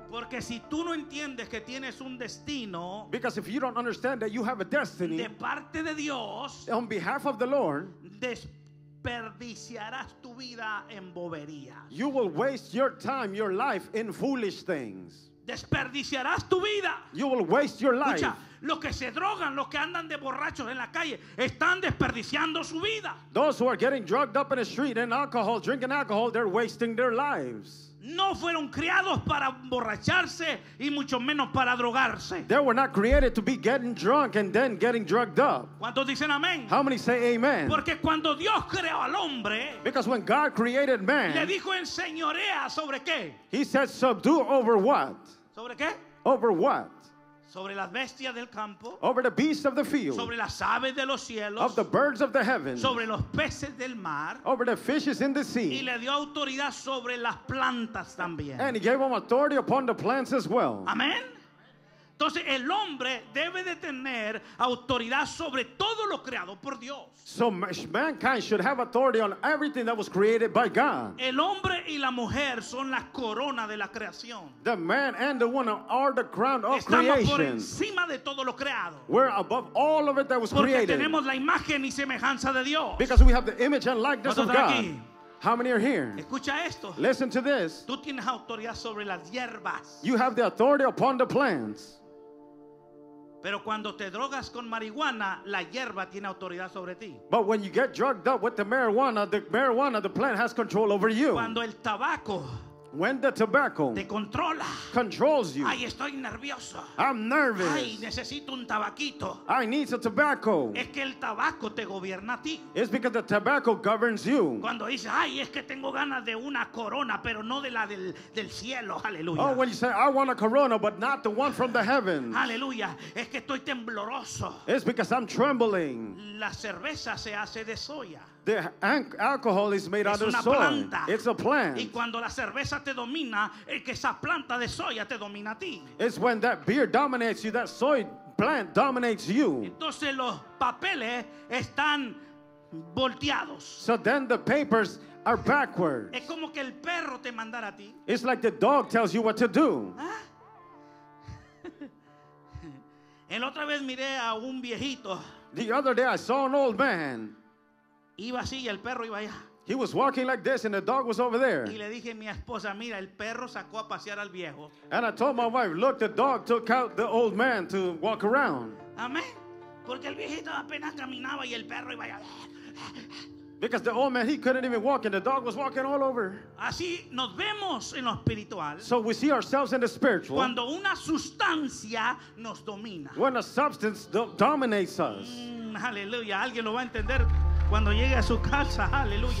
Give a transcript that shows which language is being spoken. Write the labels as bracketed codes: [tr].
[es] Porque si tú no entiendes que tienes un destino, [en] because if you don't understand that you have a destiny, [es] de parte de Dios, [en] on behalf of the Lord, [es] desperdiciarás tu vida en boberías. [en] You will waste your time, your life in foolish things. [es] Desperdiciarás tu vida. [en] You will waste your life. [es] Escucha, los que se drogan, los que andan de borrachos en la calle, están desperdiciando su vida. [en] Those who are getting drugged up in the street and alcohol, drinking alcohol, they're wasting their lives. [es] No fueron criados para emborracharse y mucho menos para drogarse. [en] They were not created to be getting drunk and then getting drugged up. [es] ¿Cuántos dicen amén? [en] How many say amen? [es] Porque cuando Dios creó al hombre, [en] because when God created man, [es] le dijo enseñorea sobre qué? [en] He said subdue over what? [es] ¿Sobre qué? [en] Over what? [es] sobre las bestias del campo, [en] over the beasts of the field, [es] sobre las aves de los cielos, [en] of the birds of the heavens, [es] sobre los peces del mar, [en] over the fishes in the sea, [es] y le dio autoridad sobre las plantas también. [en] And he gave them authority upon the plants as well. [es] Amén. Entonces el hombre debe de tener autoridad sobre todo lo creado por Dios. [en] So mankind should have authority on everything that was created by God. [es] El hombre y la mujer son la corona de la creación. [en] The man and the woman are the crown of creation. [es] Estamos por encima de todo lo creado. [en] We're above all of it that was created. [es] Porque tenemos la imagen y semejanza de Dios. [en] Because we have the image and likeness of God. How many are here? [es] Escucha esto. [en] Listen to this. [es] Tú tienes autoridad sobre las hierbas. [en] You have the authority upon the plants. [es] Pero cuando te drogas con marihuana, la hierba tiene autoridad sobre ti. [en] But when you get drugged up with the marijuana, the plant has control over you. [es] Cuando el tabaco, [en] when the tobacco [es] te controla, [en] controls you. [es] Ay, estoy nervioso. [en] I'm nervous. [es] Ay, necesito un tabaquito. [en] I need some tobacco. [es] Es que el tabaco te gobierna a ti. [en] It's because the tobacco governs you. [es] Cuando dices, ay, es que tengo ganas de una corona, pero no de la del cielo. Aleluya. [en] Oh, when you say, I want a corona, but not the one from the heavens. [es] Aleluya. Es que estoy tembloroso. [en] It's because I'm trembling. [es] La cerveza se hace de soya. [en] The alcohol is made out of soy. [es] Planta. [en] It's a plant. [es] Y cuando la cerveza te domina, es que esa planta de soya te domina a ti. [en] It's when that beer dominates you, that soy plant dominates you. [es] Entonces los papeles están volteados. [en] So then the papers are backwards. [es] Es como que el perro te mandara a ti. [en] It's like the dog tells you what to do. [es] El otra vez miré a un viejito. [en] The other day I saw an old man. [es] Iba así y el perro iba allá. [en] He was walking like this and the dog was over there. [es] Y le dije a mi esposa, mira, el perro sacó a pasear al viejo. [en] And I told my wife, look, the dog took out the old man to walk around. [es] Amén. Porque el viejito apenas caminaba y el perro iba allá. [en] Because the old man, he couldn't even walk and the dog was walking all over. [es] Así nos vemos en lo espiritual. [en] So we see ourselves in the spiritual. [es] Cuando una sustancia nos domina. [en] When a substance dominates us. [es] Aleluya, alguien lo va a entender. Cuando llegue a su casa, aleluya.